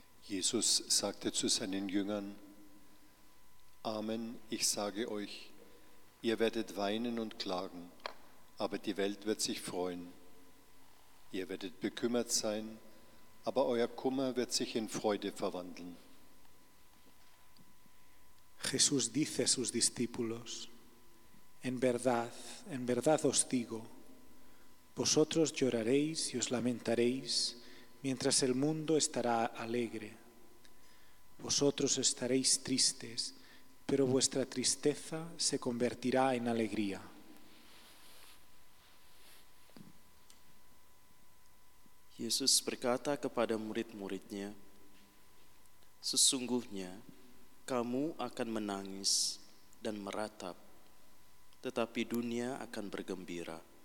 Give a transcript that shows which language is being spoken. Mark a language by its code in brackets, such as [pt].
[de] Jesus sagte zu seinen Jüngern: "Amen, ich sage euch, ihr werdet weinen und klagen, aber die Welt wird sich freuen. Ihr werdet bekümmert sein, aber euer Kummer wird sich in Freude verwandeln." [es] Jesús dice a sus discípulos: en verdad os digo, vosotros lloraréis y os lamentaréis, mientras el mundo estará alegre. Vosotros estaréis tristes, pero vuestra tristeza se convertirá en alegría." [id] Yesus berkata kepada murid-muridnya, "Sesungguhnya kamu akan menangis dan meratap, tetapi dunia akan bergembira.